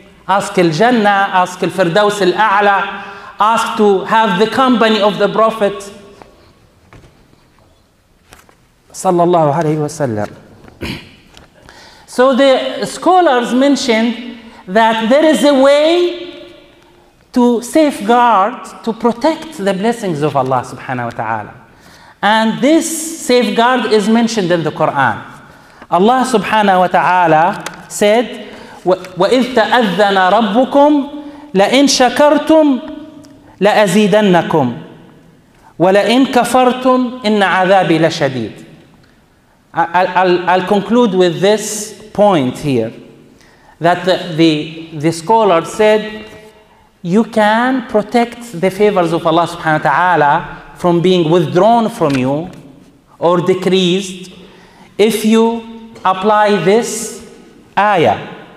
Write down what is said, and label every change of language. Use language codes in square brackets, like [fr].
[en] Ask al-Jannah, ask al-Firdaus al-A'la, ask to have the company of the Prophet sallallahu alayhi wa sallam. So the scholars mentioned that there is a way to safeguard, to protect the blessings of Allah subhanahu wa ta'ala. And this safeguard is mentioned in the Quran. Allah subhanahu wa ta'ala said, [ar] وَإِذْ تَأَذَّنَ رَبُّكُمْ لَإِنْ شَكَرْتُمْ لَأَزِيدَنَّكُمْ وَلَإِنْ كَفَرْتُمْ إِنَّ عَذَابِي لَشَدِيدٌ. [en] I'll conclude with this point here, that the scholar said, you can protect the favors of Allah subhanahu wa ta'ala from being withdrawn from you or decreased if you apply this ayah.